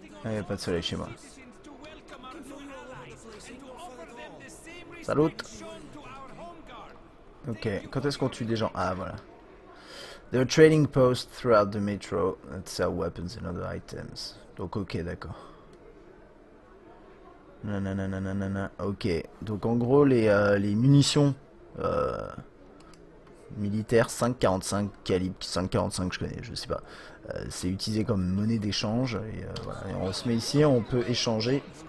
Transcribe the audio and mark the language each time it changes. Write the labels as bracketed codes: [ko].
[fr] Ah, y a pas de soleil chez moi. Salut. Ok, quand est-ce qu'on tue des gens? Ah, voilà. [en] There are trading posts throughout the metro that sell weapons and other items. [fr] Donc, ok, d'accord. Nanana. Ok, donc en gros, les munitions militaires 5.45 calibre, 5.45 je connais, je sais pas. C'est utilisé comme monnaie d'échange. Et, voilà. Et on se met ici, on peut échanger.